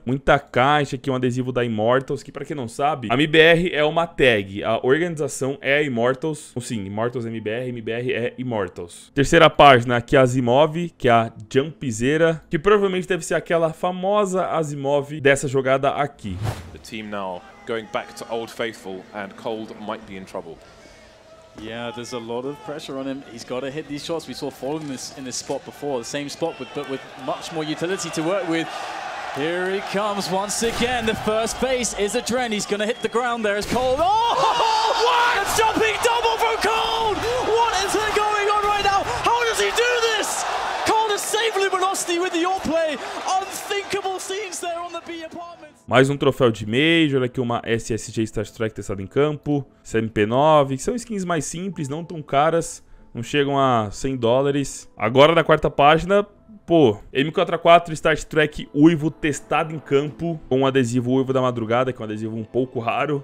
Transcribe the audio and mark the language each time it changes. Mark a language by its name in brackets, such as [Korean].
[Portuguese] Muita caixa aqui, um adesivo da Immortals, que pra quem não sabe, a MIBR é uma tag. A organização é a Immortals. Sim, Immortals é MIBR, MIBR é Immortals. Terceira página aqui, a Asimov, que é a Jumpzera, que provavelmente deve ser aquela famosa Asimov dessa jogada aqui. [English] Team now going back to Old Faithful and Cold might be in trouble. Yeah, there's a lot of pressure on him. He's got to hit these shots. We saw falling in this spot before, the same spot but with much more utility to work with. Here he comes once again. The first base is a trend. He's going to hit the ground there as Cold. Oh, what? A jumping double from Cold. What is there going on right now? How does he do this? Cold has saved Luminosity with the AWP play. Unthinkable scenes there on the B apartment. [Portuguese] Mais um troféu de Major, aqui uma SSJ Star Trek testada em campo, CMP9, que são skins mais simples, não tão caras, não chegam a $100. Agora na quarta página, pô, M4A4 Star Trek Uivo testado em campo, com um adesivo Uivo da Madrugada, que é um adesivo um pouco raro.